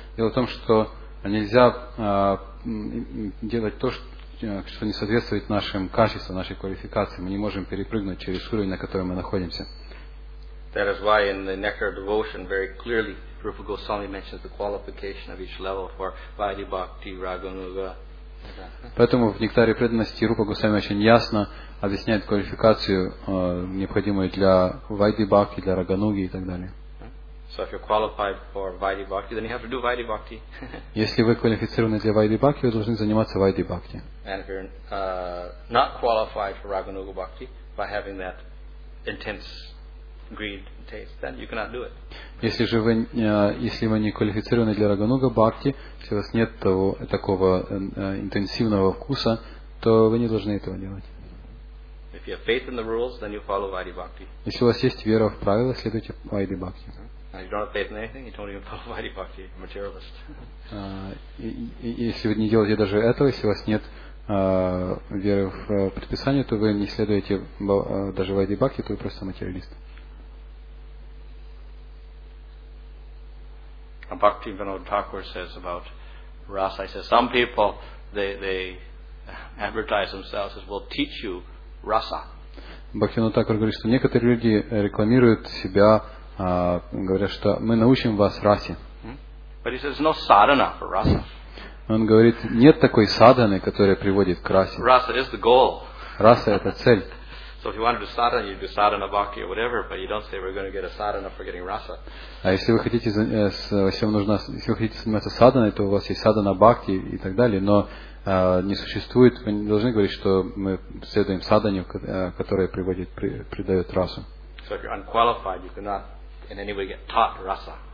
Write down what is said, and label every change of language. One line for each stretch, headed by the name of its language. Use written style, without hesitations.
Russian: Дело в том, что нельзя делать то, что не соответствует нашим качествам, нашей квалификации. Мы не можем перепрыгнуть через уровень, на котором мы находимся.
English: That is why in the Nectar of Devotion very clearly Rupa Goswami mentions the qualification of each level for Vaidhi Bhakti, Raghunuga.
Russian: Поэтому в Нектаре преданности Рупа Госвами очень ясно объясняет квалификацию, необходимую для Vaidhi Bhakti, для Рагануги и так далее.
English: So if you're qualified for Vaidhi Bhakti, then you have to do Vaidhi Bhakti.
Russian: Если вы квалифицированы для Vaidhi Bhakti, вы должны заниматься Vaidhi Bhakti.
English: And if you're not qualified for Raghunuga Bhakti by having that intense greed and taste, then you cannot do it.
Russian: Если же вы если вы не квалифицированы для Рагануга Бхакти, если у вас нет того такого интенсивного вкуса, то вы не должны этого делать.
English: If you have faith in the rules, then you follow Vaidhi Bhakti.
Russian: Если у вас есть вера в правила, следуйте Vaidhi Bhakti.
English: If you don't have faith in anything, you don't even follow Vaidhi Bhakti, materialist.
Russian: Если вы не делаете даже этого, если у вас нет веры в предписание, то вы не следуете даже Vaidhi Bhakti, то вы просто материалист.
English: Bhakti Vinod Thakur says about Rasa, he says, some people, they advertise themselves as, we'll teach you Rasa.
Russian: Bhakti Vinod Thakur говорит, что некоторые люди рекламируют себя, говорят, что мы научим вас Расе.
English: But he says, no sadhana for Rasa.
Russian: Он говорит, нет такой садханы, которая приводит к Расе.
English: Rasa is the goal.
Russian: Раса – это цель.
English: So if you want to do sadhana, you do sadhana bhakti or whatever, but you don't say we're going to get a sadhana for getting rasa.
Russian: А если вы хотите, если вы хотите заниматься садханой, то у вас есть садхана бхакти и так далее, но не существует, вы не должны говорить, что мы следуем садхане, которая приводит, придает расу.
English: So if you're unqualified, you cannot in any way get taught rasa.